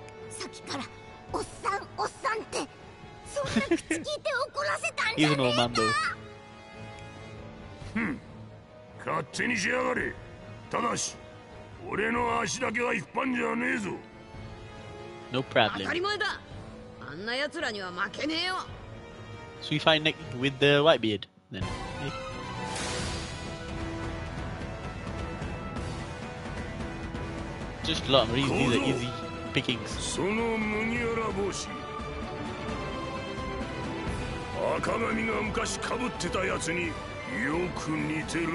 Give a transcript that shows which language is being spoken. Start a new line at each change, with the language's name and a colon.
Japanese: さっきからおっさんおっさんってそんな口聞いて怒らせたんじゃねえか。ふん、勝手にしやがれ。ただし俺の足だけは引っ張んじゃねえぞ。
English: No problem.
Japanese: 当たり前だ、あんな奴らには負けねえよ。
English: So we fight next with the white beard then. Just a lot of these are easy pickings.
Japanese: その麦わら帽子。あ赤髪が昔かぶってたやつによく似てるな。